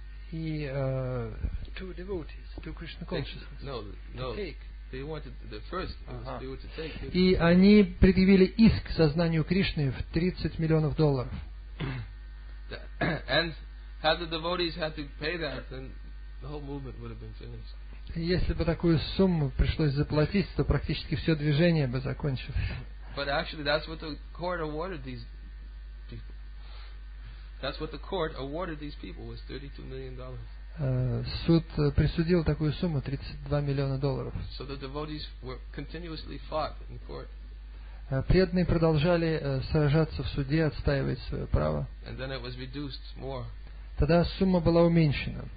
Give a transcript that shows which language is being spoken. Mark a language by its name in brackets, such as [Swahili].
[Russian] И и они предъявили иск сознанию Кришны в 30 миллионов долларов. [English] And had the devotees had to pay that, then the whole movement would have been finished. [Russian] Если бы такую сумму пришлось заплатить, то практически все движение бы закончилось. [English] But actually, that's what the court awarded these people. That's what the court awarded these people was $32 million. [Russian] Суд присудил такую сумму, 32 миллиона долларов. [English] So the devotees were continuously fought in court. [Russian] Преданные продолжали сражаться в суде, отстаивать свое право. [English] And then it was reduced more. [Russian] Тогда сумма была уменьшена.